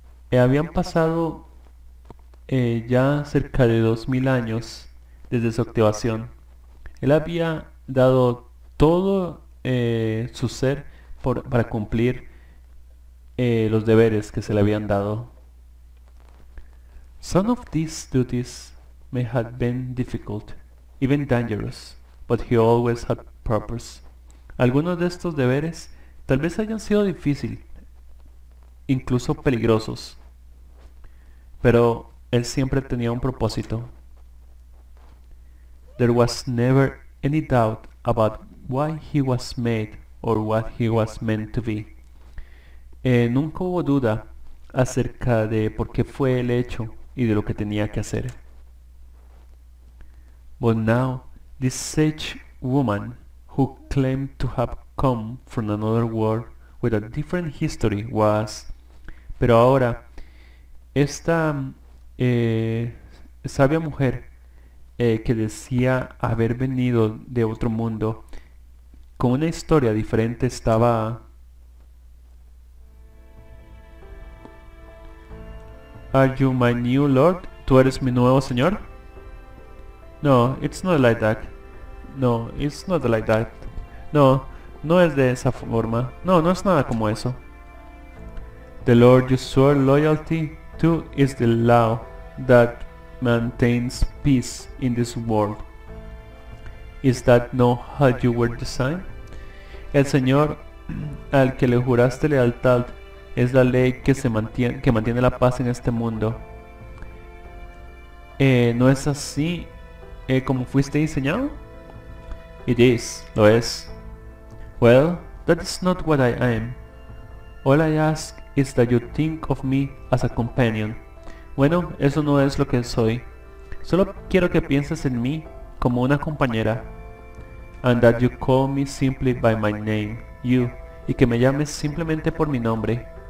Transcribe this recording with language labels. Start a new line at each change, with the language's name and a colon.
Spanish: Habían pasado ya cerca de 2000 años desde su activación. Él había dado todo su ser para cumplir los deberes que se le habían dado.
English: Some of these duties may have been difficult, even dangerous, but he always had purpose.
Spanish: Algunos de estos deberes tal vez hayan sido difíciles, incluso peligrosos, pero él siempre tenía un propósito.
English: There was never any doubt about why he was made or what he was meant to be.
Spanish: Nunca hubo duda acerca de por qué fue el hecho y de lo que tenía que hacer.
English: But now, this sage woman who claimed to have come from another world with a different history was...
Spanish: Pero ahora, esta sabia mujer que decía haber venido de otro mundo con una historia diferente estaba...
English: Are you my new lord?
Spanish: ¿Tú eres mi nuevo señor?
English: No, it's not like that. No, it's not like that.
Spanish: No, no es de esa forma. No, no es nada como eso.
English: The lord you swore loyalty to is the law that maintains peace in this world. Is that not how you were designed?
Spanish: El señor al que le juraste lealtad es la ley que mantiene la paz en este mundo. ¿No es así como fuiste diseñado?
English: It is,
Spanish: lo es.
English: Well, that is not what I am. All I ask is that you think of me as a companion.
Spanish: Bueno, eso no es lo que soy. Solo quiero que pienses en mí como una compañera.
English: And that you call me simply by my name, you.
Spanish: Y que me llames simplemente por mi nombre.